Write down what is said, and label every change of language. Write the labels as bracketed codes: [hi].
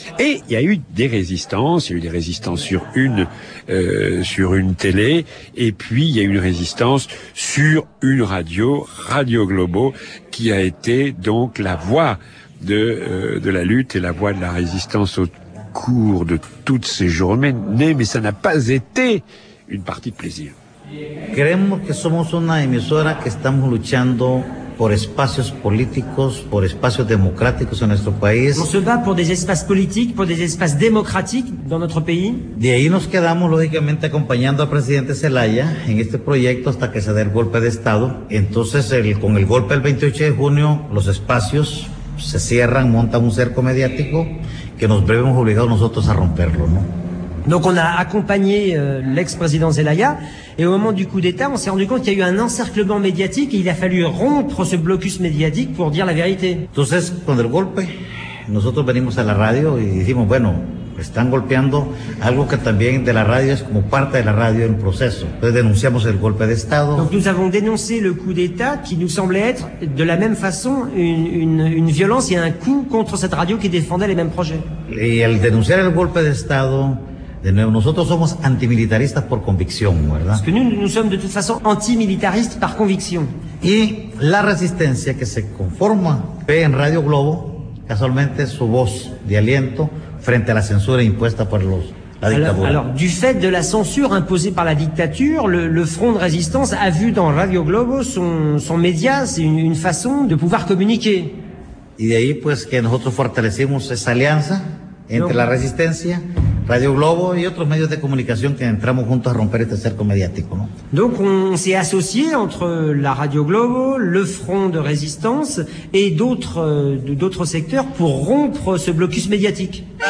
[fr] Et il y a eu des résistances, il y a eu des résistances sur une télé, et puis il y a eu une résistance sur une radio, Radio Globo, qui a été donc la voix de la lutte et la voix de la résistance au cours de toutes ces journées, mais ça n'a pas été une partie de plaisir. [es] Creemos que somos una emisora que estamos luchando por espacios políticos, por espacios democráticos en nuestro país. [fr] On se bat pour des espaces politiques, pour des espaces démocratiques dans notre pays. [es] De ahí nos quedamos lógicamente acompañando al presidente Zelaya en este proyecto hasta que se dé el golpe de estado. Entonces, con el golpe el 28 de junio, los espacios se cierran, montan un cerco mediático que nos vemos obligados nosotros a romperlo, ¿no? [fr] Donc on a accompagné l'ex-président Zelaya et au moment du coup d'État, on s'est rendu compte qu'il y a eu un encerclement médiatique et il a fallu rompre ce blocus médiatique pour dire la vérité. [es] Entonces, con el golpe, nosotros venimos a la radio y dijimos, bueno, están golpeando algo que también de la radio es como parte de la radio en proceso. Entonces denunciamos el golpe de Estado. [fr] Donc nous avons dénoncé le coup d'État qui nous semblait être de la même façon une violence et un coup contre cette radio qui défendait les mêmes projets. [es] Y al denunciar el golpe de Estado, de nuevo, nosotros somos antimilitaristas por convicción, ¿verdad? [fr] Parce que nous sommes de toute façon antimilitaristes par conviction. [es] Y la resistencia que se conforma en Radio Globo, casualmente su voz de aliento frente a la censura impuesta por la dictadura. [fr] Alors, du fait de la censure imposée par la dictature, le front de résistance a vu dans Radio Globo son média, c'est une façon de pouvoir communiquer. [es] Y de ahí, pues, que nosotros fortalecimos esa alianza entre la resistencia, Radio Globo y otros medios de comunicación que entramos juntos a romper este cerco mediático, ¿no? [fr] Donc on s'est associé entre la Radio Globo, le Front de Résistance et d'autres secteurs pour rompre ce blocus médiatique.